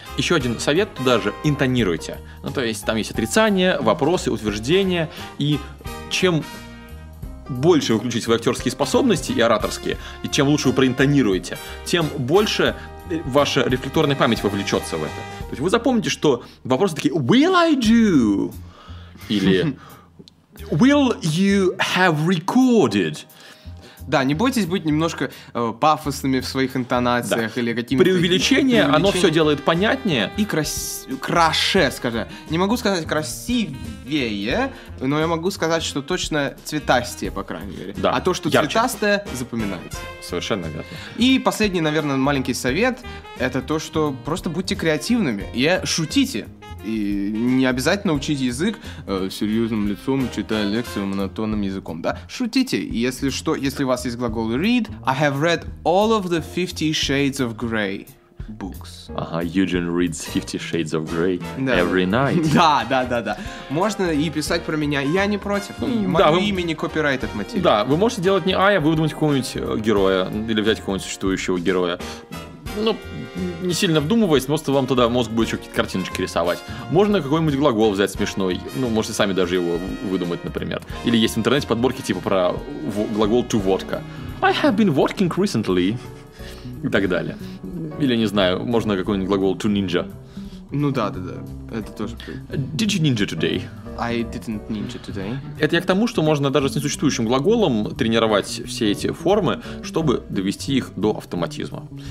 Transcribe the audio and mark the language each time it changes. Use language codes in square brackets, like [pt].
[ru] Еще один совет туда же – интонируйте. Ну, то есть, там есть отрицание, вопросы, утверждения. И чем больше вы включите свои актерские способности и ораторские, и чем лучше вы проинтонируете, тем больше ваша рефлекторная память вовлечется в это. То есть, вы запомните, что вопросы такие [en] «Will I do?» [ru] или [en] «Will you have recorded?» [ru] Да, не бойтесь быть немножко пафосными в своих интонациях, да, или какими-то... Преувеличение, оно все делает понятнее. И краше, скажи. Не могу сказать красивее, но я могу сказать, что точно цветастее, по крайней мере. Да. А то, что ярче. Цветастое, запоминается. Совершенно верно. И последний, наверное, маленький совет, это то, что просто будьте креативными и шутите. И не обязательно учить язык серьезным лицом, читая лекцию монотонным языком, да? Шутите. Если что, если у вас есть глагол [en] read, I have read all of the 50 Shades of Grey books. [ru] Ага, [en] Eugene reads 50 Shades of Grey, [ru] да, [en] every night. [ru] Да, да, да, да. Можно и писать про меня. Я не против. Имя не копирайт этот материал. Да, вы можете делать не а выдумать какого-нибудь героя или взять какого-нибудь существующего героя. Ну, не сильно вдумываясь, просто вам тогда мозг будет еще какие-то картиночки рисовать. Можно какой-нибудь глагол взять смешной. Ну, можете сами даже его выдумать, например. Или есть в интернете подборки типа про глагол to vodka. [en] I have been working recently. [ru] И так далее. Или, не знаю, можно какой-нибудь глагол to ninja. Ну да, да, да. Это тоже... [en] Did you ninja today? I didn't ninja today. [ru] Это я к тому, что можно даже с несуществующим глаголом тренировать все эти формы, чтобы довести их до автоматизма.